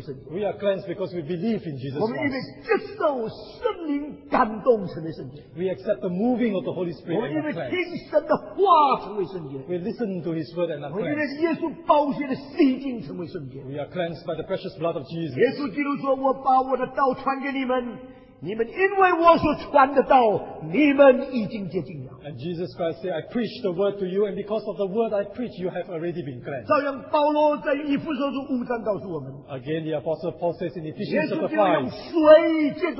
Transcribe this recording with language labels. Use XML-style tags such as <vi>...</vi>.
<en>We are cleansed because we believe in Jesus Christ. We accept the moving of the Holy Spirit and are cleansed. We listen to His Word and are cleansed. We are cleansed by the precious blood of Jesus.</en> <zh>耶稣基督说：“我把我的道传给你们，你们因为我所传的道，你们已经洁净了。”</zh> <en>And Jesus Christ said, I preach the Word to you, and because of the Word I preach, you have already been cleansed.</en> <zh>照样，保罗在以弗所书5章告诉我们。</zh> <en>Again, the Apostle Paul says in Ephesians chapter 5.</en>